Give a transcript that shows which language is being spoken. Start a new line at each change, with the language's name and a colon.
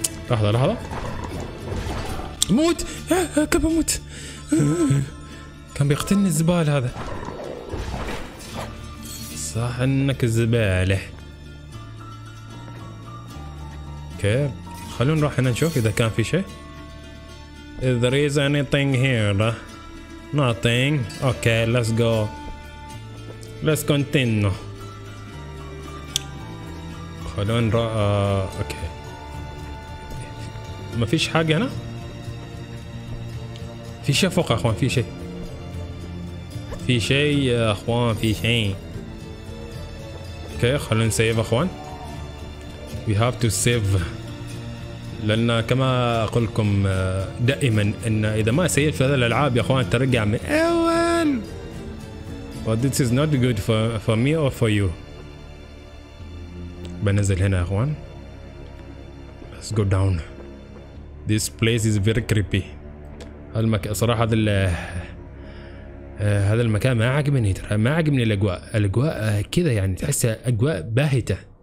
Arabic: لحظة لحظة موت. كيف اموت؟ كان بيقتلني الزبال هذا. صح انك زبالة. اوكي خلونا نروح هنا نشوف اذا كان في شيء.
English: If there is anything here, nothing. Okay, let's go. Let's continue.
Arabic: خلونا نروح. Okay. ما فيش حاجة هنا؟ في شيء فوق يا اخوان، في شيء. في شيء يا اخوان، في شيء. Okay, خلونا نسيف يا اخوان.
English: We have to save.
Arabic: لان كما اقول لكم دائما ان اذا ما سيف هذه الالعاب يا اخوان ترجع من اول.
English: But this is not good for me or for you.
Arabic: بنزل هنا يا اخوان.
English: Let's go down. This place is very creepy.
Arabic: صراحة هذا المكان ما عجبني ترى، ما عجبني الاجواء. الاجواء كذا يعني تحسها اجواء باهتة.